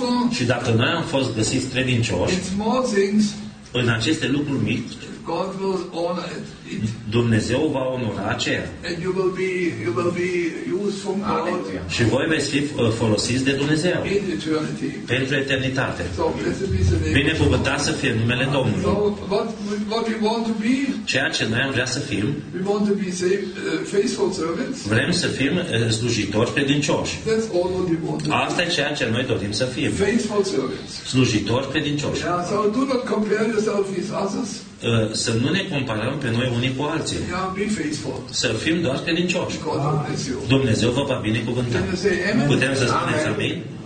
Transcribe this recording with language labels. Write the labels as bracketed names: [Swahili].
[Romanian] Și dacă noi am fost găsiți credincioși în aceste lucruri mici, [English] God will honor it. [Romanian] Dumnezeu va onora aceea. [English] And you will be used from God. [Romanian] Și voi veți fi folosiți de Dumnezeu. [English] In eternity. [Romanian] Pentru eternitate. [English] So, [Romanian] binecuvântat să fie numele Domnului. [English] So, what we want to be, [Romanian] ceea ce noi am vrea să fim, [English] we want to be safe, faithful servants. [Romanian] Vrem să fim slujitori credincioși. [English] That's all what we want to be. [Romanian] Asta e ceea ce noi dorim să fim. [English] Faithful servants. [Romanian] Slujitori credincioși. [English] Yeah, so do not compare yourself with others. [Romanian] Să nu ne comparăm pe noi unii cu alții. Să fim doar credincioși. Dumnezeu vă va binecuvânta. Putem să spuneți amin?